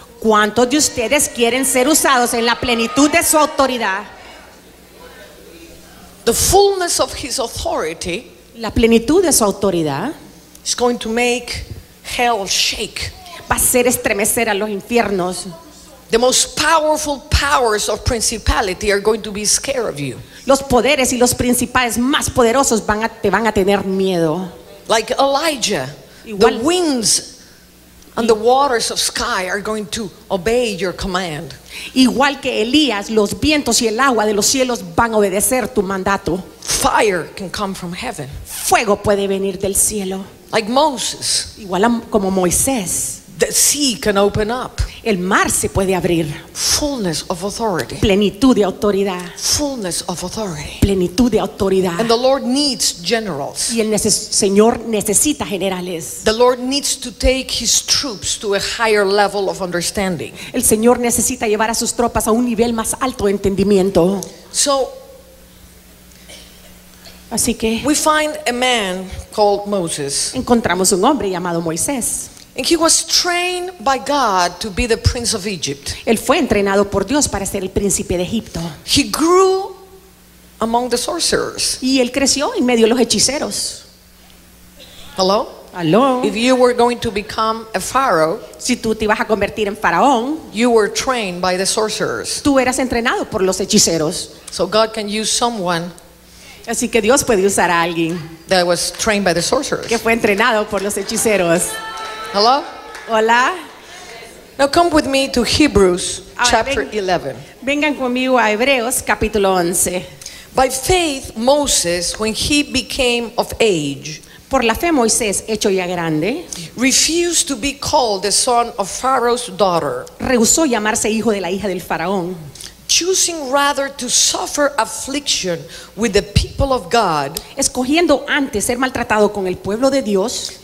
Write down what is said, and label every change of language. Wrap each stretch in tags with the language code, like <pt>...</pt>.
<es>¿Cuántos de ustedes quieren ser usados en la plenitud de su autoridad?</es> <en>The fullness of His authority.</en> <es>La plenitud de su autoridad.</es> <en>Is going to make hell shake.</en> <es>Va a hacer estremecer a los infiernos.</es> <en>The most powerful powers of principality are going to be scared of you.</en> <es>Los poderes y los principales más poderosos van a tener miedo.</es> <en>Like Elijah, igual, the winds and the waters of sky are going to obey your command.</en> <es>Igual que Elías, los vientos y el agua de los cielos van a obedecer tu mandato.</es> <en>Fire can come from heaven.</en> <es>Fuego puede venir del cielo.</es> <en>Like Moses.</en> <es>Igual como Moisés.</es> <en>The sea can open up.</en> <es>El mar se puede abrir.</es> <en>Fullness of authority.</en> <es>Plenitud de autoridad.</es> <en>Fullness of authority.</en> <es>Plenitud de autoridad.</es> <en>And the Lord needs generals.</en> <es>Y el Señor necesita generales.</es> <en>The Lord needs to take His troops to a higher level of understanding.</en> <es>El Señor necesita llevar a sus tropas a un nivel más alto de entendimiento.</es> <en>So,</en> <es>así que,</es> <en>we find a man called Moses.</en> <es>Encontramos un hombre llamado Moisés.</es> <en>And he was trained by God to be the prince of Egypt.</en> <es>Él fue entrenado por Dios para ser el príncipe de Egipto.</es> <en>He grew among the sorcerers.</en> <es>Y él creció en medio de los hechiceros.</es> <en>Hello? Hello? If you were going to become a pharaoh,</en> <es>si tú te ibas a convertir en faraón,</es> <en>you were trained by the sorcerers.</en> <es>Tú eras entrenado por los hechiceros.</es> <en>So God can use someone.</en> <es>Así que Dios puede usar a alguien.</es> <en>That was trained by the sorcerers.</en> <es>Que fue entrenado por los hechiceros.</es> <en>Hello?</en> <es>Hola.</es> <en>Now come with me to Hebrews chapter 11.</en> <es>Vengan conmigo a Hebreos capítulo 11.</es> <en>By faith Moses, when he became of age,</en> <es>por la fe Moisés, hecho ya grande,</es> <en>refused to be called the son of Pharaoh's daughter.</en> <es>Rehusó llamarse hijo de la hija del faraón.</es> <en>Choosing rather to suffer affliction with the people of God,</en> <es>escogiendo antes ser maltratado con el pueblo de Dios,</es>